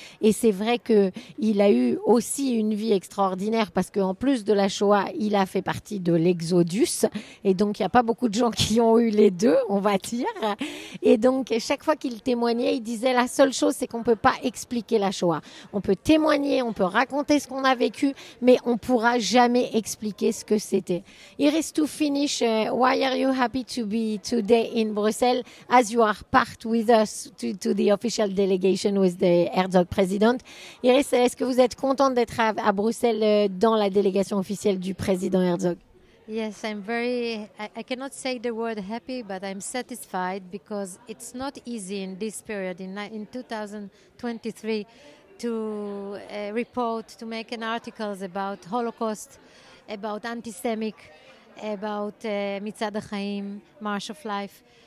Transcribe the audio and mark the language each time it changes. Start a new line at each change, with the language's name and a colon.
French: Et c'est vrai qu'il a eu aussi une vie extraordinaire parce qu'en plus de la Shoah, il a fait partie de l'Exodus. Et donc, il n'y a pas beaucoup de gens qui ont eu les deux, on va dire. Et donc, chaque fois qu'il témoignait, il disait la seule chose, c'est qu'on ne peut pas expliquer la Shoah. On peut témoigner, on peut raconter ce qu'on a vécu, mais on ne pourra jamais expliquer ce que c'était. Il reste tout fini.
English: Why are you happy to be today in Brussels as you are part with us to the official delegation with the Herzog president?
French: Iris, est-ce que vous êtes contente d'être à Bruxelles dans la délégation officielle du président Herzog?
English: Yes, I'm very, I cannot say the word happy, but I'm satisfied because it's not easy in this period, in 2023, to report, to make an article about Holocaust, about anti-Semitic, about Mitzad HaChaim, March of Life.